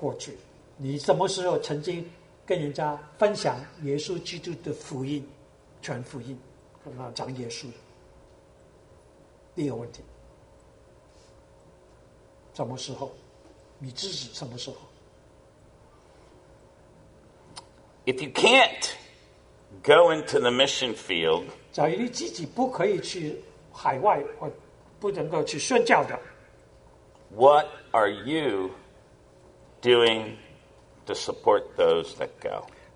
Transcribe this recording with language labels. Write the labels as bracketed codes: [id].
[zh] 我问你就是在过去，在上过去，你什么时候曾经 跟人家分享耶稣基督的福音，传福音，讲耶稣。第二个问题，什么时候？你自己什么时候？ [en] If you can't go into the mission field, [zh] 假如你自己不可以去海外，或不能够去宣教的， [en] what are you doing to support those that go?